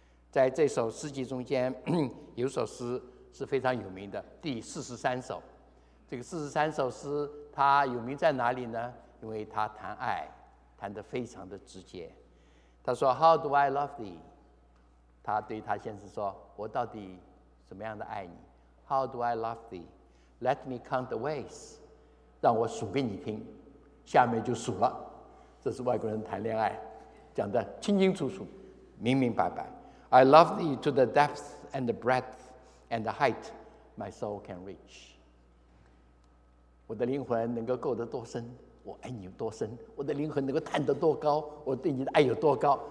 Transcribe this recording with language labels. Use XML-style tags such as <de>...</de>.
<zh>在这首诗集中间有首诗是非常有名的，第43首。这个43首诗它有名在哪里呢？因为它谈爱谈得非常的直接。他说</zh> <en>How do I love thee，</en> <zh>他对他先生说我到底怎么样的爱你。</zh> <en>How do I love thee， Let me count the ways，</en> <zh>让我数给你听。下面就数了，这是外国人谈恋爱讲的清清楚楚明明白白。</zh> <en>I love thee to the depth and the breadth and the height my soul can reach，</en> <zh>我的灵魂能够够得多深我爱你有多深，我的灵魂能够探得多高我对你的爱有多高。</zh>